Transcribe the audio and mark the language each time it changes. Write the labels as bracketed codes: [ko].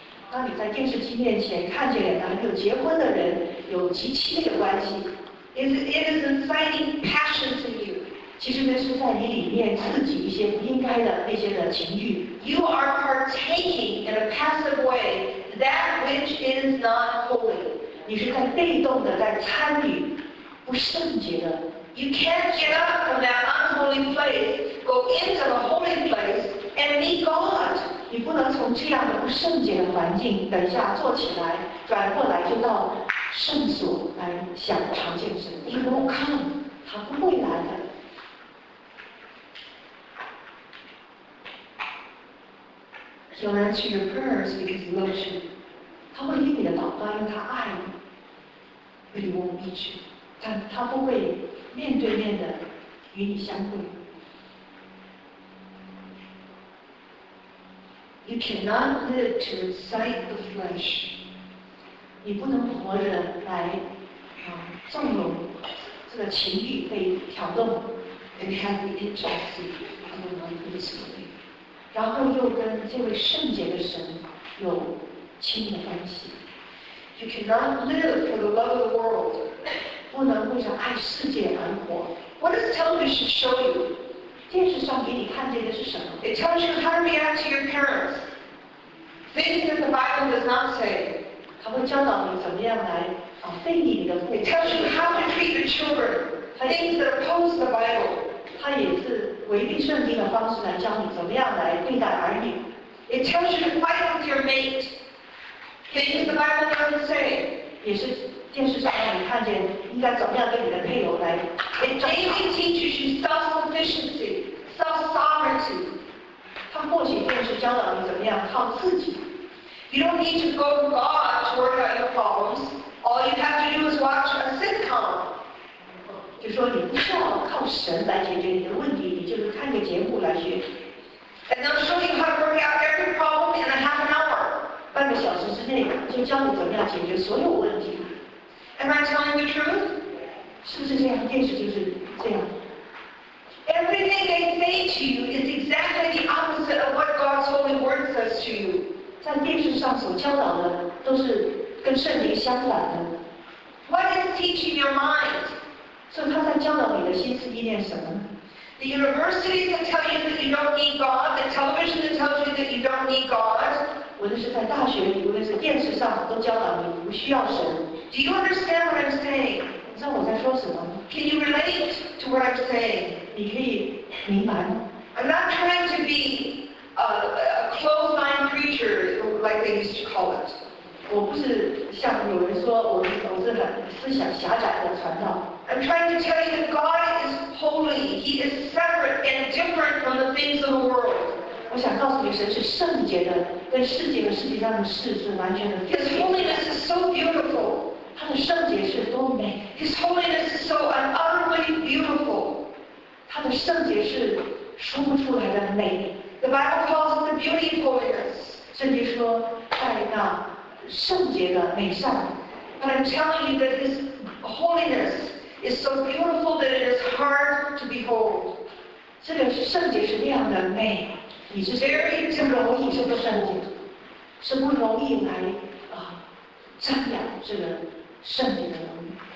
[zh] 当你在电视机面前看见两个有结婚的人有极亲密的关系 [en] it is inciting passion to you. [zh] 其实那是在你里面刺激一些不应该的那些的情欲 [en] You are partaking in a passive way that which is not holy. [zh] 你是在被动的在参与不圣洁的。 [en] You can't get up from that unholy place, go into the holy place, and meet God. [zh] 你不能从这样的不圣洁的环境，等一下坐起来，转过来就到圣所来想朝见神。 [en] He won't come. [zh] 他不会来的。 [en] He'll answer your prayers because he loves you. [zh] 他会听你的祷告，因为他爱你。 [en] But he won't meet you. [zh] 但他不会。面对面的与你相会。 [en] You cannot live to incite the flesh. [zh] 你不能活着来纵容这个情欲被挑动 [en] ，and have the intimacy of the one who is holy. [zh] 然后又跟这位圣洁的神有亲密关系。 [en] You cannot live for the love of the world. [zh] 不能为着爱世界而活。 [en] What does television show you? [zh] 电视上给你看见的是什么 [en] ？It tells you how to react to your parents. Things that the Bible does not say. [zh] 它会教导你怎么样来非礼你的父母。 [en] It tells you how to treat your children. Things that oppose the Bible. [zh] 它也是违背圣经的方式来教你怎么样来对待儿女。 [en] It tells you to fight with your mate. Things the Bible doesn't say. [zh] 也是电视上让你看见应该怎么样对你的配偶来。 [en] It daily teaches you self-sufficiency, self-sovereignty. [zh] 它或许电视教导你怎么样靠自己。 [en] You don't need to go to God to work out your problems. All you have to do is watch a sitcom. [zh] 就说你不需要靠神来解决你的问题，你就是看个节目来学。 [en] And they'll show you how to work out every problem in a half an hour. [zh] 半个小时之内就教你怎么样解决所有问题。 [en] Am I telling the truth? [zh] 是不是这样？电视就是这样。 [en] Everything they say to you is exactly the opposite of what God's Holy Word says to you. [zh] 在电视上所教导的都是跟圣灵相反的。 [en] What is teaching your mind? [zh] 所以他在教导你的心思意念什么？ [en] The universities that tell you that you don't need God, the television that tells you that you don't need God. [zh] 无论是在大学里，无论是电视上，都教导你不需要神。 [en] Do you understand what I'm saying? [zh] 你知道我在说什么吗 [en] ？Can you relate to what I'm saying? [zh] 你可以明白吗 [en] ？I'm not trying to be a closed-minded preacher like they used to call it. [zh] 我不是像有人说我是很思想狭窄的传道。 [en] I'm trying to tell you that God is holy. He is separate and different from the things of the world. [zh] 我想告诉你，神是圣洁的，跟世界和世界上的事是完全的。 [en] His holiness is so beautiful. [zh] 他的圣洁是多美。 [en] His holiness is so unutterably beautiful. [zh] 他的圣洁是说不出来的美。 [en] The Bible calls it the beauty of holiness. [zh] 圣经说，在那圣洁的美上。 [en] But I'm telling you that His holiness is so beautiful that it is hard to behold. [zh] 这个圣洁是那样的美，你是 [en] very [zh] 不容易这个圣洁，是不容易来啊瞻仰这个圣洁的容易。